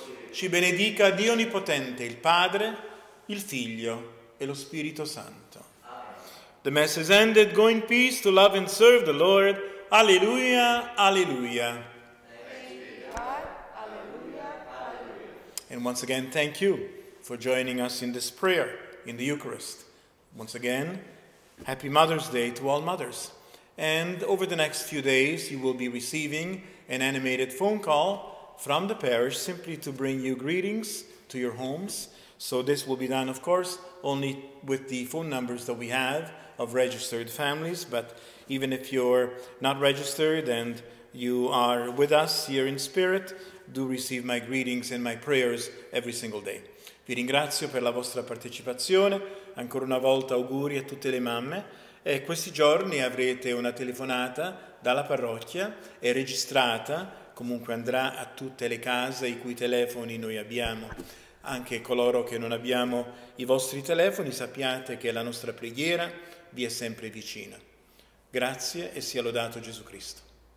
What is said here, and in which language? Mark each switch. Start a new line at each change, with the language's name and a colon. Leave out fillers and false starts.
Italian: Ci benedica Dio Onnipotente, il Padre, il Figlio e lo Spirito Santo.
English: The Mass is ended. Go in peace to love and serve the Lord. Alleluia, alleluia. Thanks be to God. Alleluia, alleluia. And once again, thank you for joining us in this prayer in the Eucharist. Once again, happy Mother's Day to all mothers. And over the next few days, you will be receiving an animated phone call from the parish simply to bring you greetings to your homes. So this will be done, of course, only with the phone numbers that we have of registered families, but even if you're not registered and you are with us here in spirit, do receive my greetings and my prayers every single day.
Italian: Vi ringrazio per la vostra partecipazione, ancora una volta auguri a tutte le mamme E questi giorni avrete una telefonata dalla parrocchia, è registrata, comunque andrà a tutte le case i cui telefoni noi abbiamo. Anche coloro che non abbiamo i vostri telefoni, sappiate che la nostra preghiera vi è sempre vicina. Grazie e sia lodato Gesù Cristo.